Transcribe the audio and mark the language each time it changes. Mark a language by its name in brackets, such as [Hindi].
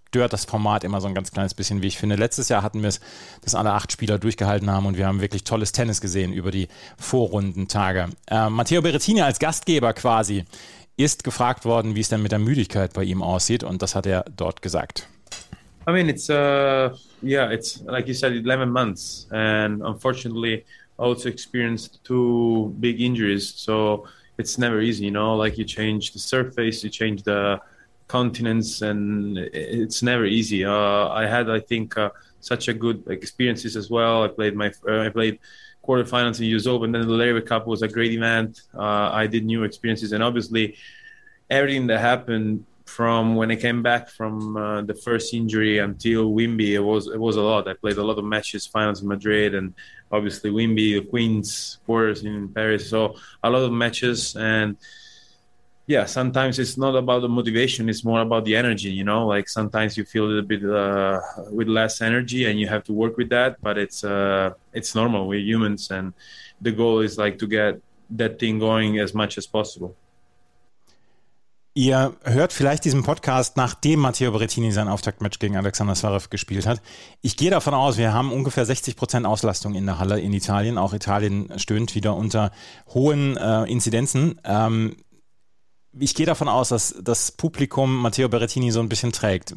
[German] Stört das Format immer so ein ganz kleines bisschen, wie ich finde. Letztes Jahr hatten wir es, dass alle 8 Spieler durchgehalten haben und wir haben wirklich tolles Tennis gesehen über die Vorrundentage. Matteo Berrettini als Gastgeber quasi ist gefragt worden, wie es denn mit der Müdigkeit bei ihm aussieht und das hat er dort gesagt. [English] I mean, it's, yeah, it's like you said, 11 months and unfortunately also experienced 2 big injuries, so it's never easy, you know, like you change the surface, you change the continents and it's never easy. I had, I think, such a good experiences as well. I played my quarterfinals in US Open, then the Larry Cup was a great event. I did new experiences, and obviously everything that happened from when I came back from the first injury until Wimby, it was a lot. I played a lot of matches, finals in Madrid, and obviously Wimby, the Queens quarters in Paris. So a lot of matches, and yeah, sometimes it's not about the motivation, it's more about the energy, you know? Like sometimes you feel a little bit with less energy and you have to work with that, but it's normal, we're humans, and the goal is like to get that thing going as much as possible. [German] Ihr hört vielleicht diesen Podcast, nachdem Matteo Berrettini sein Auftaktmatch gegen Alexander Zverev gespielt hat. Ich gehe davon aus, wir haben ungefähr 60% Auslastung in der Halle in Italien. Auch Italien stöhnt wieder unter hohen Inzidenzen. Ich gehe davon aus, dass das Publikum Matteo Berrettini so ein bisschen trägt.